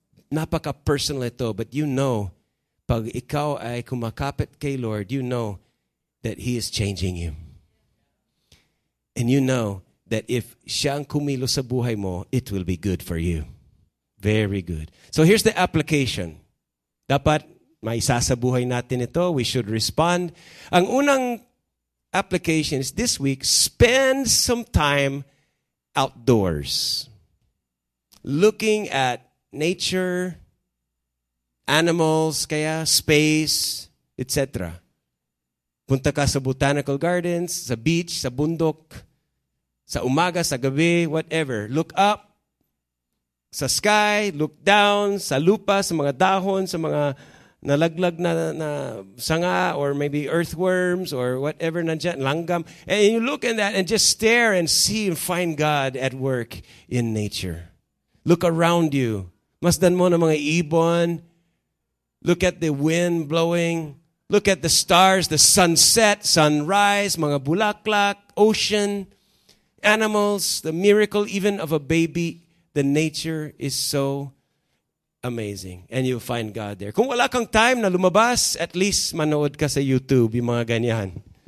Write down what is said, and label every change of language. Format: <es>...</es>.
<tl>Napaka-personal ito,</tl> <en>but you know,</en> <tl>pag ikaw ay kumakapit kay Lord,</tl> <en>you know that He is changing you. And you know that if</en> <tl>siya ang kumilo sa buhay mo,</tl> <en>it will be good for you. Very good. So here's the application.</en> <tl>Dapat may isa sa buhay natin ito.</tl> <en>We should respond.</en> <tl>Ang unang</tl> <en>application is this week, spend some time outdoors. Looking at nature, animals, kaya space, etc.</en> <tl>Punta ka sa botanical gardens, sa beach, sa bundok, sa umaga, sa gabi, whatever.</tl> <en>Look up</en> <tl>sa sky,</tl> <en>look down</en> <tl>sa lupa, sa mga dahon, sa mga nalaglag na sanga,</tl> <en>or maybe earthworms or whatever</en> <tl>nandiyan, langgam.</tl> <en>And you look in that and just stare and see and find God at work in nature. Look around you.</en> <tl>Masdan mo na mga ibon.</tl> <en>Look at the wind blowing. Look at the stars, the sunset, sunrise, mga bulaklak, ocean, animals, the miracle even of a baby. The nature is so amazing. And you'll find God there.</en> <tl>Kung wala kang time na lumabas, at least manood ka sa YouTube, yung mga ganyan.</tl>